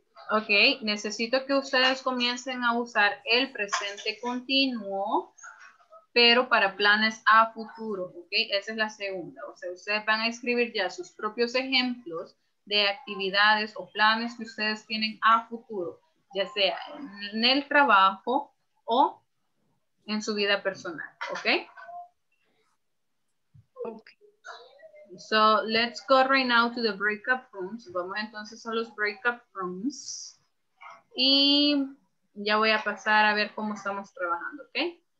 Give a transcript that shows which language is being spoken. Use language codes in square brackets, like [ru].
[es] Ok, necesito que ustedes comiencen a usar el presente continuo, pero para planes a futuro, ¿ok? Esa es la segunda. O sea, ustedes van a escribir ya sus propios ejemplos de actividades o planes que ustedes tienen a futuro, ya sea en el trabajo o en su vida personal, ¿ok? Ok. [en] So, let's go right now to the breakup rooms. [es] Vamos entonces a los breakup rooms. Y ya voy a pasar a ver cómo estamos trabajando, ¿ok?